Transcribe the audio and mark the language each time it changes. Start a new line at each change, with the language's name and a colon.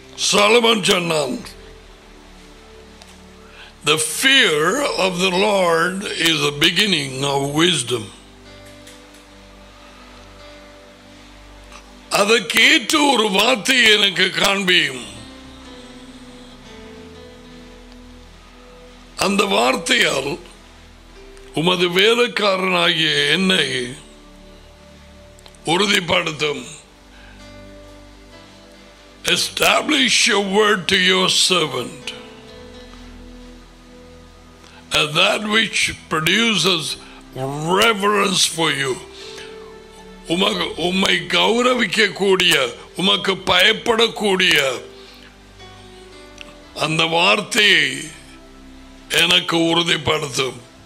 Tamil: Solomon சொன்னான்,
English: The fear of the Lord is the beginning of wisdom.
Tamil: அதை கேட்டு ஒரு வார்த்தை எனக்கு காண்பியும். அந்த வார்த்தையால் உமது வேலைக்காரனாகிய என்னை உறுதிப்படுத்தும்.
English: Establish your word to your servant, and that which produces reverence for you.
Tamil: உமை கௌரவிக்கக்கூடிய, உமக்கு பயப்படக்கூடிய அந்த வார்த்தையை எனக்கு உறுதிப்படுத்தும்.